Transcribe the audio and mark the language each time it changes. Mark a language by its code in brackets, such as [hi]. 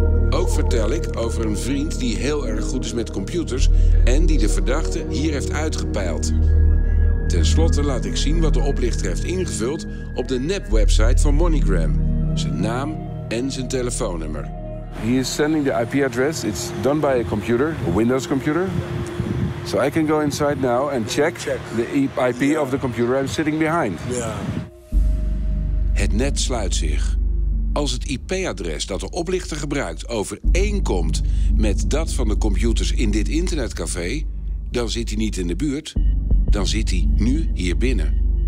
[nl] Ook vertel ik over een vriend die heel erg goed is met computers en die de verdachte hier heeft uitgepeild. Ten slotte laat ik zien wat de oplichter heeft ingevuld op de nep-website van MoneyGram. Zijn naam en zijn telefoonnummer. [en] He is sending the IP address. It's done by a computer, a Windows computer. So I can go inside now and check. The IP of the computer I'm sitting behind. Yeah. [nl] Het net sluit zich. Als het IP-adres dat de oplichter gebruikt overeenkomt met dat van de computers in dit internetcafé, dan zit hij niet in de buurt, dan zit hij nu hier binnen.